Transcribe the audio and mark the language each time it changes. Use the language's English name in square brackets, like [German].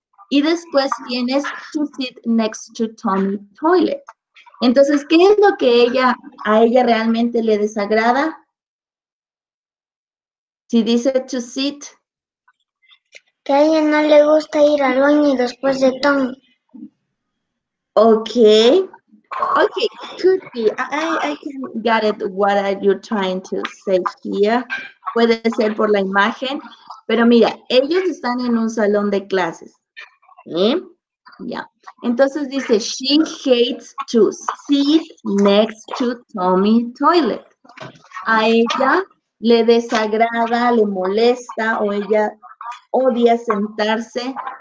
[Spanish] Y después tienes [English] to sit next to Tommy toilet. [Spanish] Entonces, ¿qué es lo que a ella realmente le desagrada? Si dice [English] to sit. [Spanish] Que a ella no le gusta ir al baño después de Tommy. [English] Okay, could be. I can get it what are you trying to say here. [Spanish] Puede ser por la imagen, pero mira, ellos están en un salón de clases. Entonces dice, [English] she hates to sit next to Tommy toilet. [Spanish] A ella le desagrada, le molesta, o ella odia sentarse.